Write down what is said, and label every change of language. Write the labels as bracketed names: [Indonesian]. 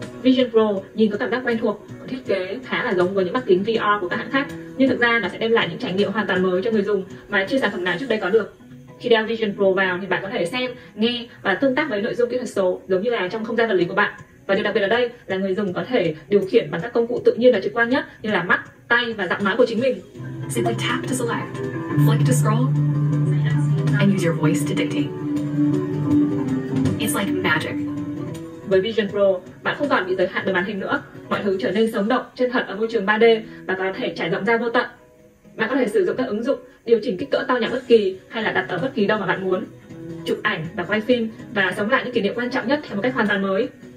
[Vietnamese] Vision Pro nhìn có cảm giác quen thuộc, thiết kế khá là giống với những mắt kính VR của các hãng khác, nhưng thực ra nó sẽ đem lại những trải nghiệm hoàn toàn mới cho người dùng mà chưa sản phẩm nào trước đây có được. Khi đeo Vision Pro vào thì bạn có thể xem, nghe và tương tác với nội dung kỹ thuật số giống như là trong không gian vật lý của bạn. Và điều đặc biệt ở đây là người dùng có thể điều khiển bằng các công cụ tự nhiên và trực quan nhất như là mắt, tay và giọng nói của chính mình. [English] Simply tap to select, flick to scroll, and use your voice to dictate. It's like magic. [Vietnamese] Với Vision Pro, bạn không còn bị giới hạn bởi màn hình nữa. Mọi thứ trở nên sống động, chân thật ở môi trường 3D và có thể trải rộng ra vô tận. Bạn có thể sử dụng các ứng dụng, điều chỉnh kích cỡ to nhỏ bất kỳ hay là đặt ở bất kỳ đâu mà bạn muốn. Chụp ảnh và quay phim và sống lại những kỷ niệm quan trọng nhất theo một cách hoàn toàn mới.